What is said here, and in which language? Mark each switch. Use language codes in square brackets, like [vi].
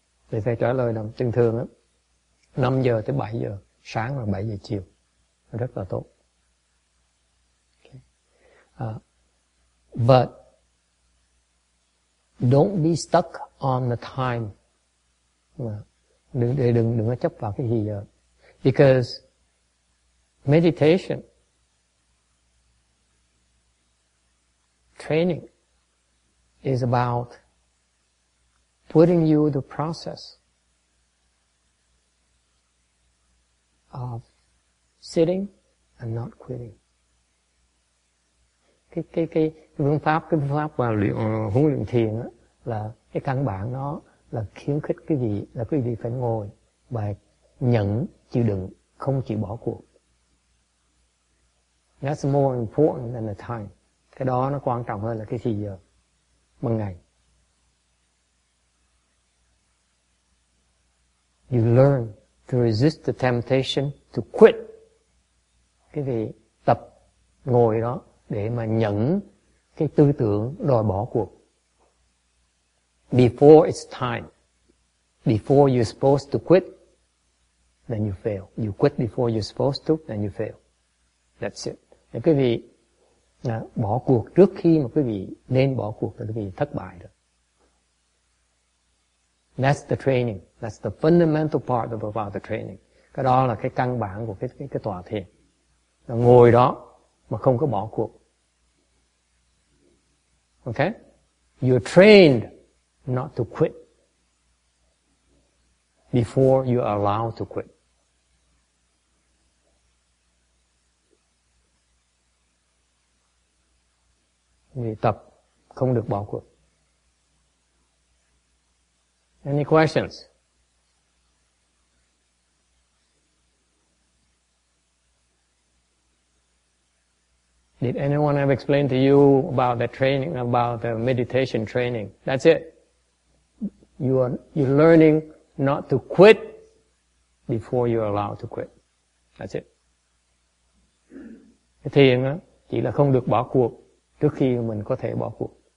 [vi] Thì thầy trả lời là thường thường á, 5 giờ tới 7 giờ sáng và 7 giờ chiều rất là tốt. [en] Okay. But don't be stuck on the time. [vi] Đừng có chấp vào cái gì giờ. [en] Because meditation, training is about putting you the process of sitting and not quitting. [vi] Cái phương pháp huấn luyện thiền á, là cái căn bản nó là khuyến khích quý vị là quý vị phải ngồi và nhẫn chịu đựng, không chịu bỏ cuộc. [en] That's more important than the time. [vi] Cái đó nó quan trọng hơn là cái gì giờ, bằng ngày. [en] You learn to resist the temptation to quit. [vi] Quý vị tập ngồi đó để mà nhẫn cái tư tưởng đòi bỏ cuộc. [en] Before it's time, before you're supposed to quit, then you fail. You quit before you're supposed to, then you fail. That's it. [vi] Thì quý vị bỏ cuộc trước khi mà quý vị nên bỏ cuộc thì quý vị thất bại rồi. [en] That's the training. That's the fundamental part of the training. [vi] Cái đó là cái căn bản của cái tòa thiền. Là ngồi đó mà không có bỏ cuộc. [en] Okay? You're trained not to quit before you are allowed to quit. [vi] Vì tập không được bỏ cuộc. [en] Any questions? Did anyone have explained to you about the training, about the meditation training? That's it. You're learning not to quit before you're allowed to quit. That's it. [vi] Cái thiền á, chỉ là không được bỏ cuộc trước khi mình có thể bỏ cuộc.